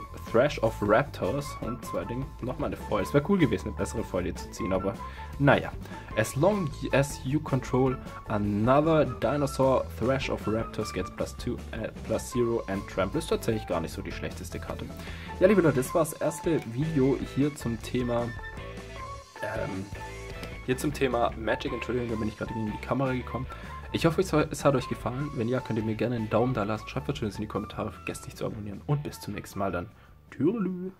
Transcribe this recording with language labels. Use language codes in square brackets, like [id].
[de] Thrash of Raptors und zwei Dinge. Nochmal eine Foil. Es wäre cool gewesen, eine bessere Foil hier zu ziehen, aber naja. [en] As long as you control another dinosaur, Thrash of Raptors gets +2/+0 and trample. [de] Ist tatsächlich gar nicht so die schlechteste Karte. Ja, liebe Leute, das war das erste Video hier zum Thema. Hier zum Thema Magic. Entschuldigung, da bin ich gerade gegen die Kamera gekommen. Ich hoffe, es hat euch gefallen. Wenn ja, könnt ihr mir gerne einen Daumen da lassen. Schreibt was Schönes in die Kommentare. Vergesst nicht zu abonnieren. Und bis zum nächsten Mal dann. Türelü.